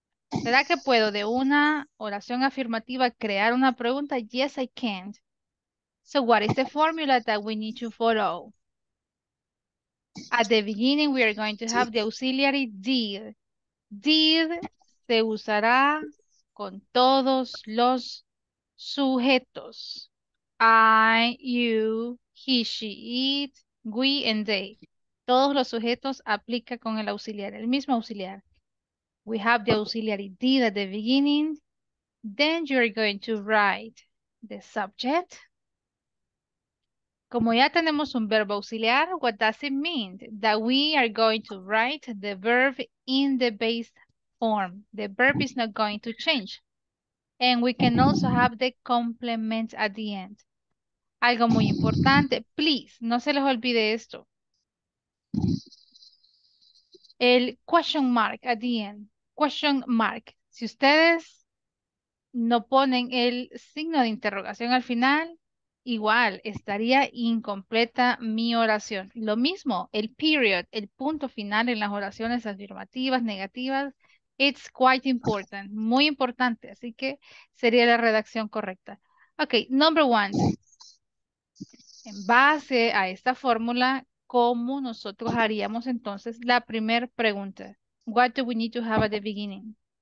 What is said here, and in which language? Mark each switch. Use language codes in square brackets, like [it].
[es] ¿Será que puedo de una oración afirmativa crear una pregunta? [en] Yes, I can. So what is the formula that we need to follow? At the beginning, we are going to have the auxiliary did. [es] Did se usará con todos los sujetos. [en] I, you, he, she, it, we, and they. [es] Todos los sujetos aplica con el auxiliar, el mismo auxiliar. [en] We have the auxiliary did at the beginning. Then you're going to write the subject. [es] Como ya tenemos un verbo auxiliar, [en] what does it mean? That we are going to write the verb in the base form. The verb is not going to change. And we can also have the complement at the end. [es] Algo muy importante. [en] Please, [es] no se les olvide esto. [en] El question mark at the end. Question mark. [es] Si ustedes no ponen el signo de interrogación al final, igual estaría incompleta mi oración. Lo mismo, el period, el punto final en las oraciones afirmativas, negativas, [en] it's quite important, [es] muy importante. Así que sería la redacción correcta. Ok, [en] number one. [es] En base a esta fórmula, ¿cómo nosotros haríamos entonces la primera pregunta? [en] What do we need to have at the beginning?